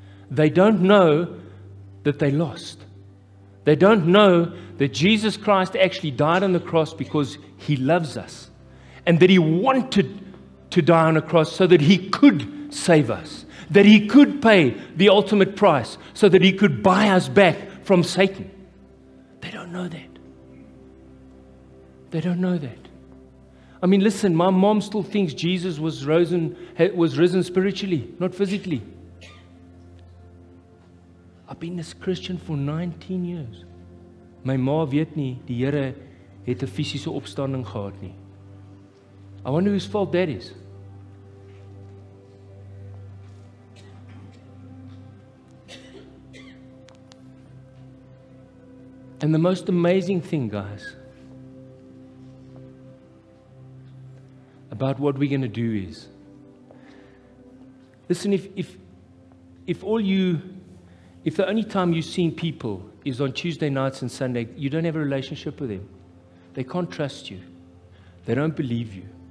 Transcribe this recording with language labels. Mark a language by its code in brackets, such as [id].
[en] They don't know that they lost. They don't know that Jesus Christ actually died on the cross because he loves us and that he wanted to die on a cross so that he could save us, that he could pay the ultimate price so that he could buy us back from Satan. They don't know that. They don't know that. I mean, listen, my mom still thinks Jesus was risen spiritually, not physically. I've been this Christian for 19 years. [af] My ma weet nie, die Here het 'n fisiese opstanding gehad nie. [en] I wonder whose fault that is. And the most amazing thing, guys, about what we're going to do is, listen, if the only time you've seen people is on Tuesday nights and Sunday, you don't have a relationship with them. They can't trust you. They don't believe you.